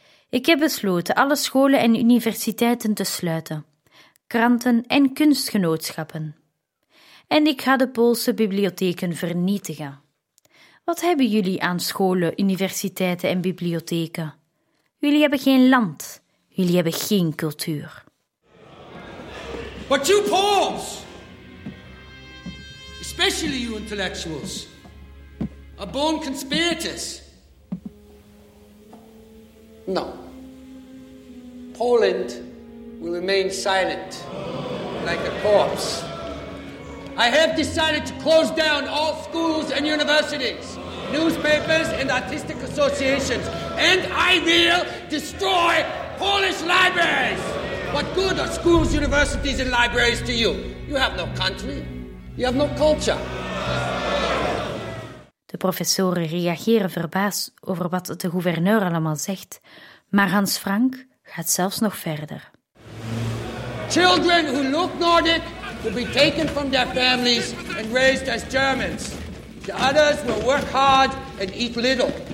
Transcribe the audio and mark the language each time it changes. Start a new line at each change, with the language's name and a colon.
Dutch: Ik heb besloten alle scholen en universiteiten te sluiten, kranten en kunstgenootschappen. En ik ga de Poolse bibliotheken vernietigen. Wat hebben jullie aan scholen, universiteiten en bibliotheken? Jullie hebben geen land, jullie hebben geen cultuur.
English: But you Poles, especially you intellectuals, are born conspirators. No. Poland will remain silent, like a corpse. I have decided to close down all schools and universities, newspapers and artistic associations, and I will destroy Polish libraries. What good are schools, universities, and libraries to you? You have no country. You have no culture.
Dutch: De professoren reageren verbaasd over wat de gouverneur allemaal zegt, maar Hans Frank gaat zelfs nog verder.
English: Children who look Nordic will be taken from their families and raised as Germans. The others will work hard and eat little.